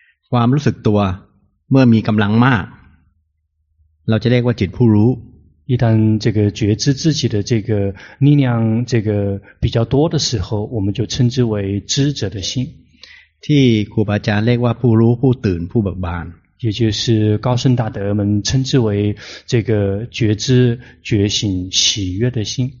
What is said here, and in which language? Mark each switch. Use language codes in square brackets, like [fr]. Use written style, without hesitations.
[th] ความรู้สึกตัวเมื่อมีกำลังมากเราจะเรียกว่าจิตผู้รู้ [zh] 一旦这个觉知自己的这个力量这个比较多的时候我们就称之为知者的心 [th] ที่ครูบาอาจารย์เรียกว่าผู้รู้ผู้ตื่นผู้เบิกบาน [zh] 也就是高僧大德们称之为这个觉知觉醒喜悦的心